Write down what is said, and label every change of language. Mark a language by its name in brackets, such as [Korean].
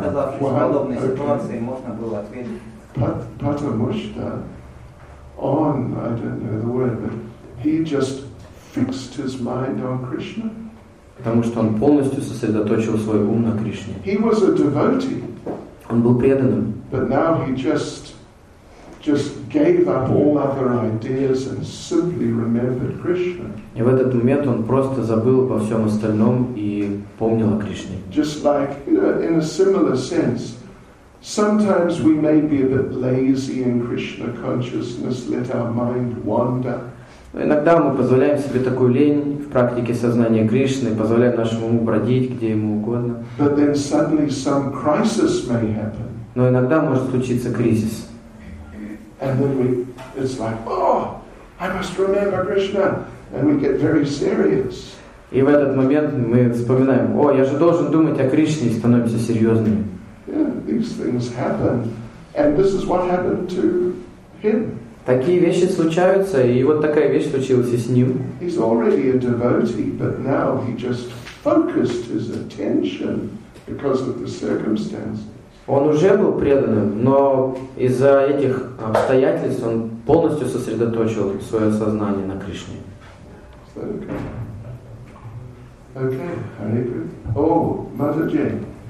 [Russian] Оказавшись в подобной ситуации, можно было ответить. Потому что он, [English] I don't know the word, but he just fixed his mind on Krishna. [Russian] Потому что он полностью сосредоточил свой ум на Кришне. [English] He was a devotee. [Russian] Он был преданным. [English] But now he just gave up all other ideas and simply remembered Krishna. [Russian] И в этот момент он просто забыл обо всем остальном и помнил о Кришне. [English] Just like, you know, in a similar sense, sometimes we may be a bit lazy in Krishna consciousness, let our mind wander. [Russian] Иногда мы позволяем себе такую лень в практике сознания Кришны, позволяем нашему уму бродить где ему угодно. [English] But then suddenly some crisis may happen. [Russian] Но иногда может случиться кризис. [English] And then it's like, oh, I must remember Krishna, and we get very serious. [Russian] И в этот момент мы вспоминаем, о, я же должен думать о Кришне, и становимся серьезными. [English] Yeah, these things happen, and this is what happened to him. [Russian] Такие вещи случаются, и вот такая вещь случилась и с ним. [English] He's already a devotee, but now he just focused his attention because of the circumstances. [Russian] Он уже был преданным, но из-за этих обстоятельств он полностью сосредоточил свое сознание на Кришне. [English] Okay, Hare Krishna. Oh, Mother Jane.